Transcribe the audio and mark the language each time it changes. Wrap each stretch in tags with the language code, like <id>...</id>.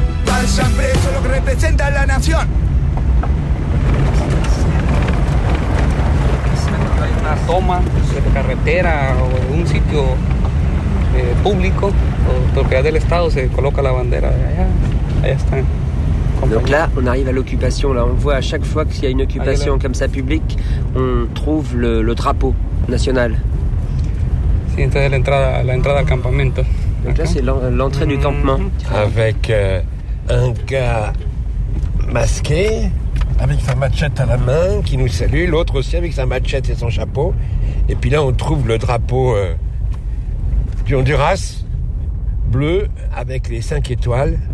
<es>Vayan presos lo que representa la nación. Hay una toma de carretera o de un sitio público, propiedad del Estado, se coloca la bandera allá está.</es> <fr>Donc là, on arrive à l'occupation. Là, on voit à chaque fois qu'il y a une occupation comme ça publique, on trouve le drapeau national.</fr> <es>Sí, entonces la entrada al campamento.</es> <fr>Donc là, c'est l'entrée du campement. Avec un gars masqué, avec sa machette à la main, qui nous salue. L'autre aussi avec sa machette et son chapeau. Et puis là, on trouve le drapeau du Honduras, bleu, avec les 5 étoiles.</fr>